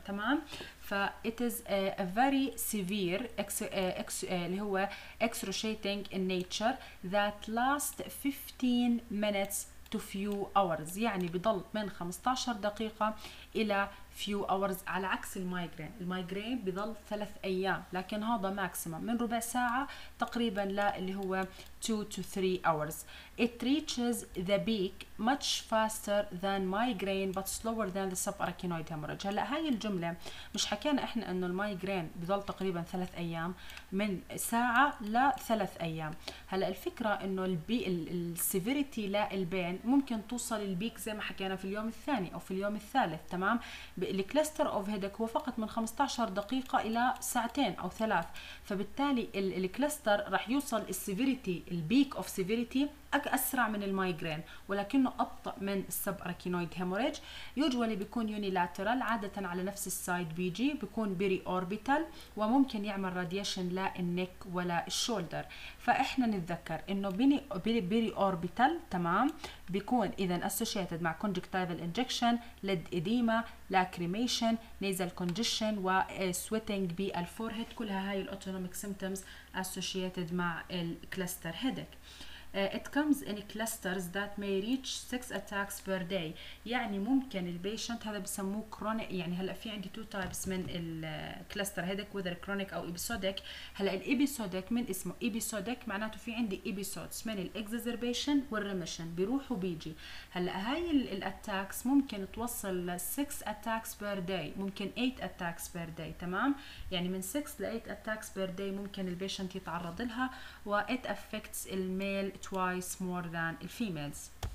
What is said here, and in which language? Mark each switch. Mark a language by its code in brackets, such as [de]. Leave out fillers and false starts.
[en] تمام. ف it is a very severe اللي هو excruciating in nature that lasts 15 minutes to few hours، [ar] يعني بضل من 15 دقيقة إلى [en] few hours [ar] على عكس المايغرين. المايغرين بضل 3 أيام، لكن هذا ماكسيمم من ربع ساعة تقريبا لا اللي هو [en] 2 to 3 hours. It reaches the peak much faster than migraine but slower than the subarachnoid hemorrhage. [ar] هلا هاي الجملة مش حكينا احنا انه المايغرين بضل تقريبا 3 أيام، من ساعة ل3 أيام. هلا الفكرة انه السيفيريتي للبين ممكن توصل البيك زي ما حكينا في اليوم الثاني او في اليوم الثالث. تمام. الكلستر اوف هيدك هو فقط من 15 دقيقة الى ساعتين او ثلاث، فبالتالي الكلستر رح يوصل السيفيريتي البيك اوف سيفيريتي اسرع من المايغرين ولكنه ابطا من السب اركينويد هيموريج. يوجوالي بيكون يونيلاترال عاده على نفس السايد بيجي، بيكون بيري اوربيتال، وممكن يعمل راديشن لا النيك ولا الشولدر. فاحنا نتذكر انه [en] Periorbital تمام بيكون اذا اسوشيتد مع conjunctival injection, lid oedema, lacrimation, nasal congestion, وسويتنج بالفورهيد، كلها هاي الاوتونوميك سيمتومز اسوشيتد مع الكلستر headache. it comes in clusters that may reach 6 attacks per day. [ar] يعني ممكن البيشنت هذا بسموه كرونيك، يعني هلا في عندي 2 تايبس من الكلستر هيدك، وذر كرونيك او ايبيسوديك. هلا الايبيسوديك من اسمه ايبيسوديك، معناته في عندي ايبيسودز من الاكزيربيشن والريميشن، بيروح وبيجي. هلا هاي الاتاكس ممكن توصل ل 6 اتاكس بير داي، ممكن 8 اتاكس بير داي، تمام؟ يعني من 6 ل 8 اتاكس بير داي ممكن البيشنت يتعرض لها، و ات افكتس الميل [en] twice more than the females.